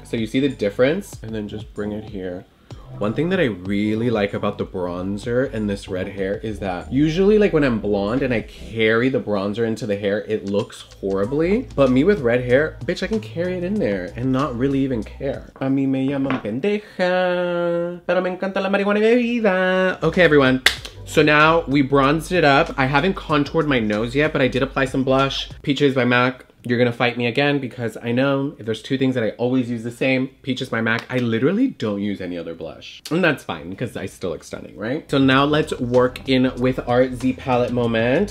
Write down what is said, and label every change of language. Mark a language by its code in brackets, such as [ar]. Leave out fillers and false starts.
[en] So you see the difference? And then just bring it here. One thing that I really like about the bronzer and this red hair is that usually, like, when I'm blonde and I carry the bronzer into the hair, it looks horribly. But me with red hair, bitch, I can carry it in there and not really even care. [es] A mí me llaman pendeja, pero me encanta la marihuana de vida. [en] Okay, everyone. So now we bronzed it up. I haven't contoured my nose yet, but I did apply some blush. Peaches by MAC. You're gonna fight me again because I know if there's two things that I always use the same, Peaches by MAC, I literally don't use any other blush. And that's fine because I still look stunning, right? So now let's work in with our Z palette moment.